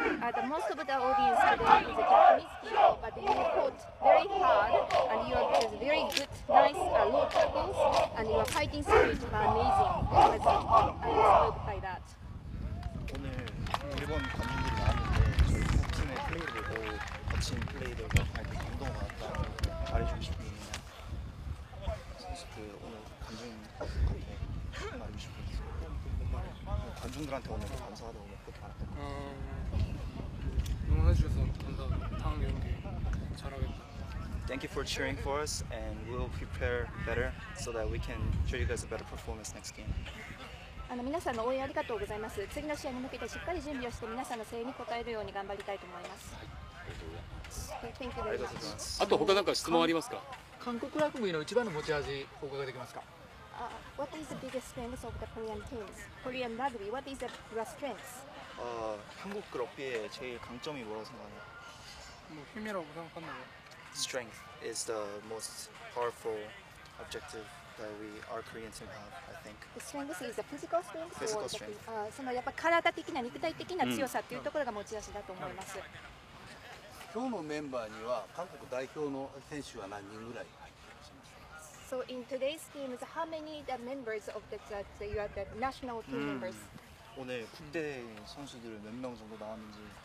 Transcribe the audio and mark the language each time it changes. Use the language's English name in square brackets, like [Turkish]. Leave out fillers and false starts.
[English] The most of the audience today is a Japanese people, but you fought very hard and you have very good, nice, low tackles and your fighting spirit was amazing. I was moved by that. [Korean] 오늘 일본 관중들이 많은데 저희 팀의 플레이를 보고 거친 플레이를 정말 감동 받았다. 말해주고 싶습니다. 선수들 오늘 관중한테 말해주고 싶습니다. 관중들한테 오늘 감사하다고 그렇게 말할 것 같습니다. 응원해주셔서 감사합니다. 다음 경기 잘하겠다. [English] Thank you for cheering for us, and we'll prepare better so that we can show you guys a better performance next game. [Japanese] 皆さんの応援ありがとうございます。次の試合に向けてしっかり準備をして皆さんの声援に応えるように頑張りたいと思います。はい、ありがとうございます。 [English] Thank you very much. [Japanese] あと他何か質問ありますか？韓国ラグビーの一番の持ち味お伺いできますか？ [English] What is the biggest strength of the Korean teams? Korean rugby, what is your strength? [Korean] 한국 럭비의 제일 강점이 뭐라고 생각하나요? 뭐 힘이라고 생각하나요? [English] Strength is the most powerful objective that we our Korean team have, I think. The strength is the physical strength. Physical strength. [Japanese] そのやっぱ体的な肉体的な強さっていうところが持ち味だと思います。今日のメンバーには韓国代表の選手は何人ぐらい入っていますか？ [English] So in today's team, how many the members of the you have the national team members? [Korean] 오늘 국대 선수들 몇 명 정도 나왔는지